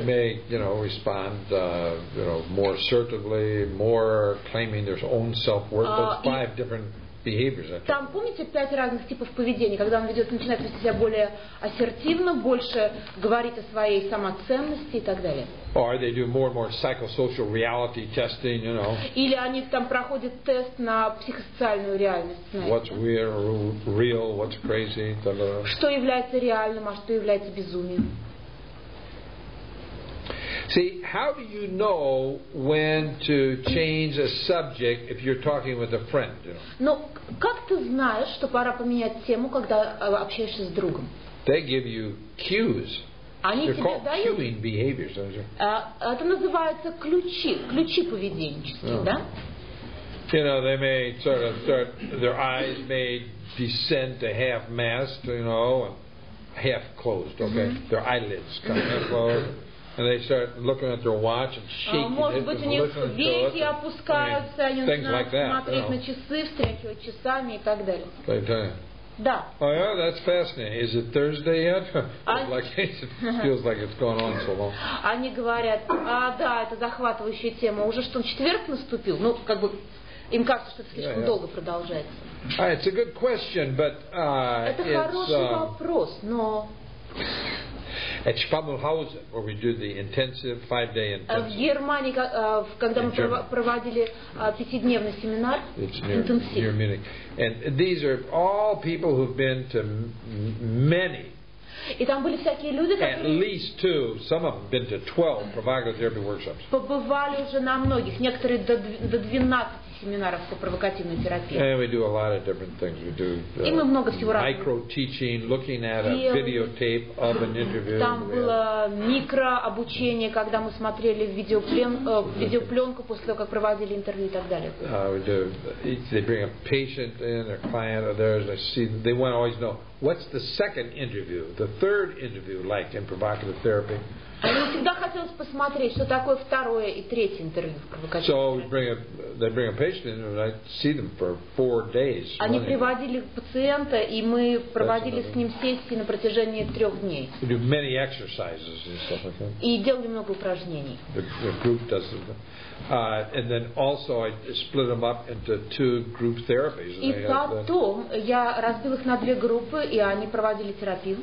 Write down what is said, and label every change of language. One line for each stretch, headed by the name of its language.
English: And they may, you know, respond, you know, more assertively, more claiming their own self-worth. That's five different behaviors.
Russian: Там помните пять разных типов поведения, когда он ведет, начинает вести себя более ассертивно, больше говорить о своей самоценности и так далее.
English: Or they do more and more psychosocial reality testing, you know.
Russian: Или они там проходят тест на психосоциальную реальность.
English: What's real, what's crazy,
Russian: что является реальным, а что является безумием?
English: See, how do you know when to change a subject if you're talking with a friend?
Russian: Ну, как ты знаешь, что пора поменять тему, когда общаешься с другом?
English: They give you cues.
Russian: Они
English: They're
Russian: тебе дают.
English: They're cueing behaviors, don't you?
Russian: Это называется ключи, ключи поведенческие, да?
English: You know, they may sort of start. Their eyes may descend to half mast, you know, half closed. Okay, mm-hmm. Their eyelids come half closed. And they start looking at their watch and shaking it.
Russian: Может быть, у них веки опускаются, они начинают смотреть на часы, встряхивать часами и так далее. Да.
English: Oh yeah, that's fascinating. Is it Thursday yet? Feels like it's gone on so long.
Russian: Они говорят, а да, это захватывающая тема. Уже что, четверг наступил? Ну, как бы им кажется, что это слишком долго продолжается.
English: It's a good question, but
Russian: это хороший вопрос, но.
English: At Spammelhausen, where we do the intensive 5-day intensive.
Russian: В Германии, когда мы проводили пятидневный семинар, интенсив.
English: And these are all people who've been to many.
Russian: И там были всякие люди, которые.
English: At least two, some of them been to 12 provocative therapy workshops.
Russian: Побывали уже на многих, некоторые до 12 семинаров по провокативной терапии.
English: And we do a lot of different things. We do.
Russian: И мы много всего разного.
English: Micro teaching, looking at a videotape of an interview.
Russian: Там было микро обучение, когда мы смотрели видеопленку после того, как проводили интервью и так далее.
English: We do. They bring a patient in, a client of theirs. They see. They want to always know. What's the second interview, the third interview like in provocative therapy?
Russian: Они всегда хотели посмотреть, что такое второе и третье интервью в провокационной.
English: So they bring a patient in and I see them for 4 days.
Russian: Они приводили пациента, и мы проводили с ним сессии на протяжении 3 дней.
English: We do many exercises and stuff like that.
Russian: И делали много упражнений.
English: The group does it. And then also I split them up into two group therapies.
Russian: И потом я разбил их на две группы, и они проводили терапию.